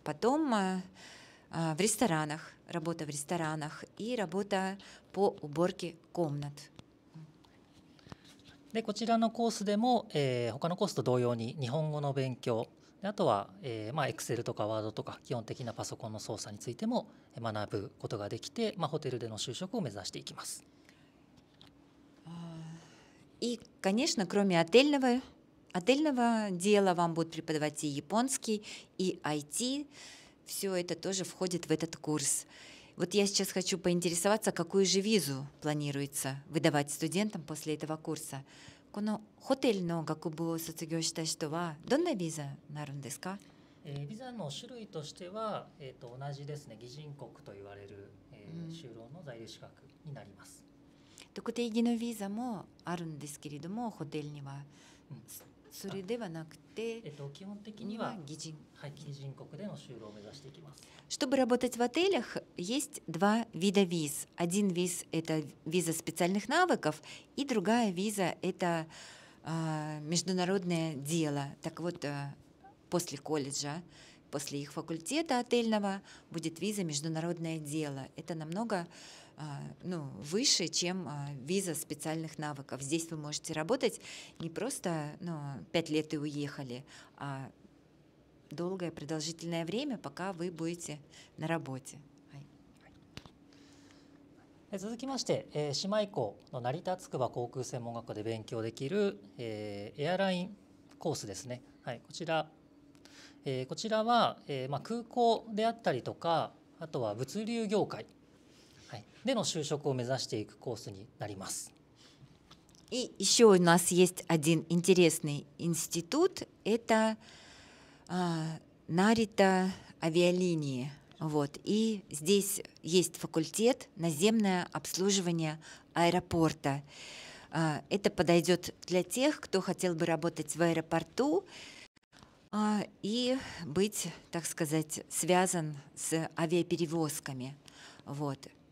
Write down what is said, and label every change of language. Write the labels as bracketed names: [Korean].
[Russian] Потом в ресторанах, работа в ресторанах и работа по уборке комнат. [Japanese] で、こちらのコースでも、他のコースと同様に日本語の勉強、あとは、まあ、Excel とか Word とか基本的なパソコンの操作についても学ぶことができて、まあ、ホテルでの就職を目指していきます。 [Russian] И, конечно, кроме отельного дела вам будут преподавать и японский, и IT. Все это тоже входит в этот курс. Вот я сейчас хочу поинтересоваться, какую же визу планируется выдавать студентам после этого курса. [Japanese] この hotel の学部を卒業した人はどんなビザになるんですか？ビザの種類としては、同じですね。擬人国と言われる、就労の在留資格になります。特定技能ビザもあるんですけれども、ホテルには、それではなくて、基本的には擬人、はい、擬人国での就労を目指していきます。 [Russian] Чтобы работать в отелях, есть два вида виз. Один виз – это виза специальных навыков, и другая виза – это международное дело. Так вот, после колледжа, после их факультета отельного, будет виза международное дело. Это намного выше, чем виза специальных навыков. Здесь вы можете работать не просто 5 лет и уехали, а долгое продолжительное время, пока вы будете на работе. [Japanese] 続きまして、姉妹校の成田筑波航空専門学校で勉強できる、エアラインコースですね。はい、こちらは、まあ、空港であったりとか、あとは物流業界、はい、での就職を目指していくコースになります。 [Russian] И еще у нас есть один интересный институт. Это Нарита авиалинии. Вот. И здесь есть факультет наземное обслуживание аэропорта. Это подойдет для тех, кто хотел бы работать в аэропорту и быть, так сказать, связан с авиаперевозками. Вот.